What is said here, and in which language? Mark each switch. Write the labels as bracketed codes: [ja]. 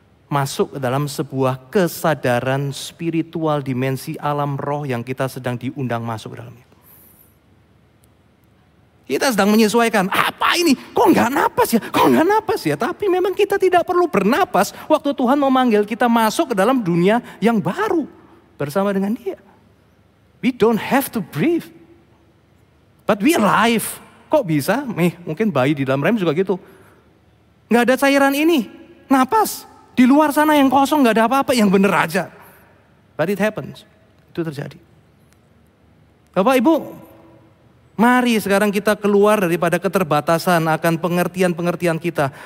[id] Masuk ke dalam sebuah kesadaran spiritual dimensi alam roh yang kita sedang diundang masuk dalamnya. Kita sedang menyesuaikan, apa ini? Kok gak napas ya? Tapi memang kita tidak perlu bernapas waktu Tuhan memanggil kita masuk ke dalam dunia yang baru bersama dengan Dia. [en] We don't have to breathe, but we alive. [id] Kok bisa? Mungkin bayi di dalam rahim juga gitu. Gak ada cairan ini, napas. Di luar sana yang kosong gak ada apa-apa, yang benar aja. [en] But it happens, [id] itu terjadi. Bapak, Ibu, mari sekarang kita keluar daripada keterbatasan akan pengertian-pengertian kita.